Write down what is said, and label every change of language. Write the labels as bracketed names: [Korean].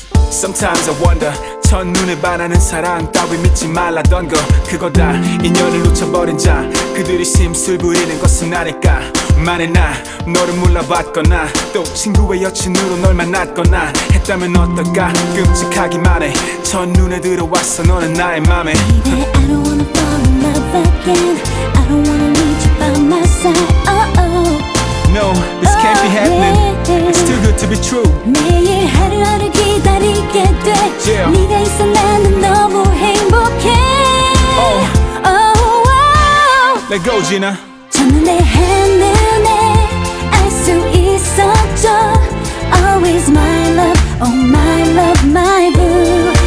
[English] Sometimes I wonder [Korean] 첫눈에 반하는 사랑 따위 믿지 말라던 거 그거다. 인연을 놓쳐버린 자 그들이 심술 부리는 것은 아닐까. 만일 나 너를 몰라봤거나 또 친구의 여친으로 널 만났거나 했다면 어떨까. 끔찍하기만 해 첫눈에 들어왔어 너는 나의 맘에. [English] Baby, I don't wanna fall in love again. I don't wanna need you by my side. Oh oh. No, this can't be happening. It's too good to be true. [Korean] 매일 하루하루 기다리게 돼. Yeah. 네가 있어 나는 너무 행복해. Oh. Oh, oh. [English] Let go, Gina. [Korean] 첫눈에 한눈에 알 수 있었죠. [English] Always my love, oh my love, my boo.